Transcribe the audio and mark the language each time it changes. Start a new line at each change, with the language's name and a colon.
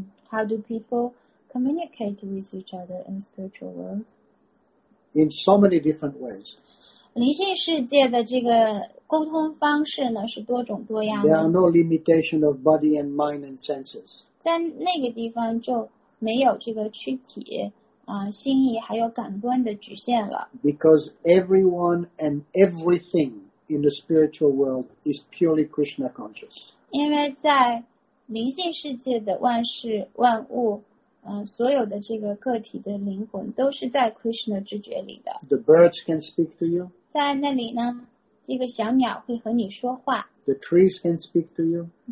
English: How do people communicate with each other in the spiritual world? In so many different ways.
Chinese: 灵性世界的这个沟通方式呢是多种多样的。
English: There are no limitation of body and mind and senses.
Chinese: 在那个地方就没有这个躯体心意还有感官的局限了。
English: Because everyone and everything in the spiritual world is purely Krishna conscious.
Chinese: 因为在灵性世界的万事万物所有的这个个体的灵魂都是在 Krishna 知觉里的。
English: The birds can speak to you.
Chinese: 在那里呢这个小鸟会和你说话。
English: The trees can speak to you.